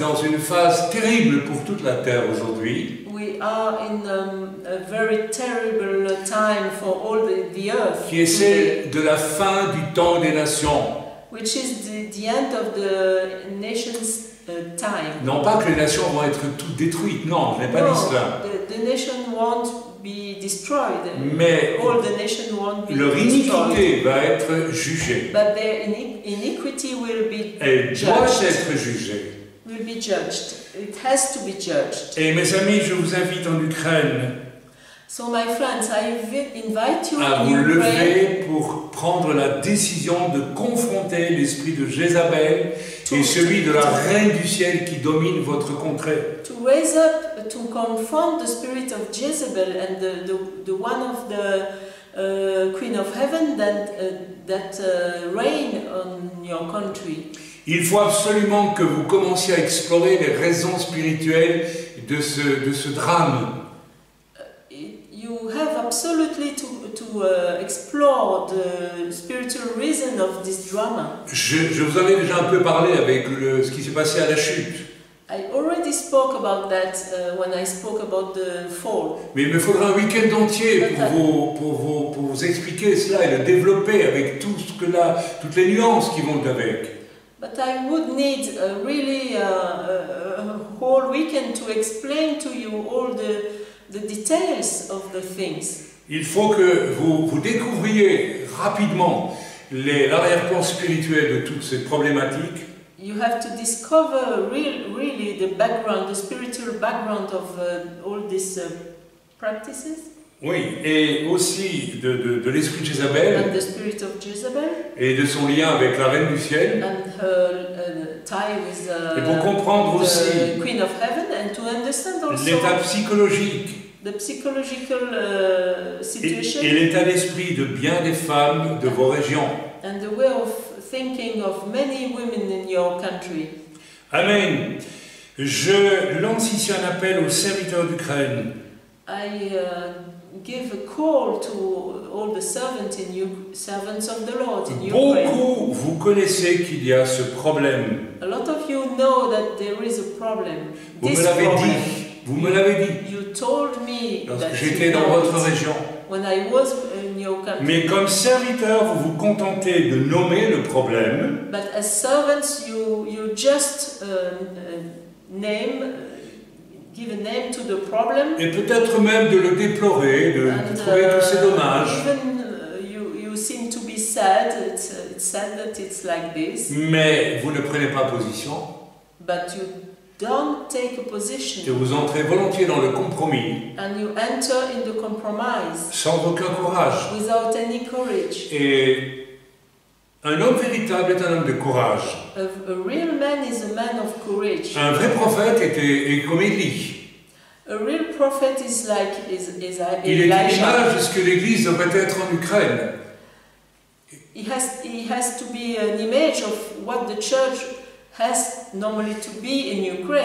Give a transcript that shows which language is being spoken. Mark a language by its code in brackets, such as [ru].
[fr] Dans une phase terrible pour toute la terre aujourd'hui. [en] We are in a very terrible time for all the earth. [fr] Qui est celle de la fin du temps des nations. [en] Which is the end of the nation's time. [fr] Non pas que les nations vont être toutes détruites, non, je n'ai pas dit cela. [en] The nation won't be destroyed. [fr] Mais [en] all the nation won't be [fr] leur iniquité [en] destroyed. [fr] Va être jugée. [en] But their iniquity will be [fr] Elle [en] judged. [fr] Doit être jugée. [en] Will be judged. It has to be judged. [fr] Et mes amis, je vous invite en Ukraine. [en] So my friends, I invite you [fr] à vous lever pour prendre la décision de confronter l'esprit de Jézabel et celui de la reine du ciel qui domine votre contrée. [en] To raise up, to confront the spirit of Jezebel and the one of the Queen of Heaven that reign on your country. [fr] Il faut absolument que vous commenciez à explorer les raisons spirituelles de ce drame. [en] You have absolutely to explore the spiritual reason of this drama. [fr] Je vous en ai déjà un peu parlé avec ce qui s'est passé à la chute. [en] I already spoke about that when I spoke about the fall. [fr] Mais il me faudra un week-end entier pour vous expliquer cela et le développer avec tout ce que là, toutes les nuances qui vont avec. [en] But I would need a really a whole weekend to explain to you all the details of the things. [fr] Il faut que vous découvriez rapidement l'arrière-plan spirituel de toutes ces problématiques. [en] You have to discover really the background, the spiritual background of all these practices. [fr] Oui, et aussi de l'esprit de Jézabel. [en] And the spirit of Jezebel. [fr] Et de son lien avec la reine du ciel. [en] And her tie with [fr] et pour comprendre [en] the [fr] aussi [en] Queen of Heaven and to understand also [fr] l'état psychologique. [en] The psychological situation. [fr] Et l'état d'esprit de bien des femmes de vos régions. [en] And the way of thinking of many women in your country. Amen. [fr] Je lance ici un appel aux serviteurs d'Ukraine. [en] I give a call to all the servants in you, servants of the Lord in Ukraine. [fr] Beaucoup vous connaissez qu'il y a ce problème. [en] A lot of you know that there is a problem. [fr] Vous me l'avez dit. [en] You told me [fr] lorsque [en] that [fr] j'étais dans votre région. [en] When I was in your country. [fr] Mais comme serviteur, vous vous contentez de nommer le problème. [en] But as servants, you just name give a name to the problem, [fr] et peut-être même de le déplorer, de trouver que c'est dommage. [en] Even you seem to be sad, it's sad that it's like this. [fr] Mais vous ne prenez pas position. [en] But you don't take a position. [fr] Et vous entrez volontiers dans le compromis. [en] And you enter in the compromise. [fr] Sans aucun courage. [en] Without any courage. [fr] Et un homme véritable est un homme de courage. [en] A real man is a man of courage. [fr] Un vrai prophète est comme Élie. [en] A real prophet is like [fr] Il est l'image de ce que l'Église devrait être en Ukraine. [en] He has to be an image of what the church has normally to be in Ukraine.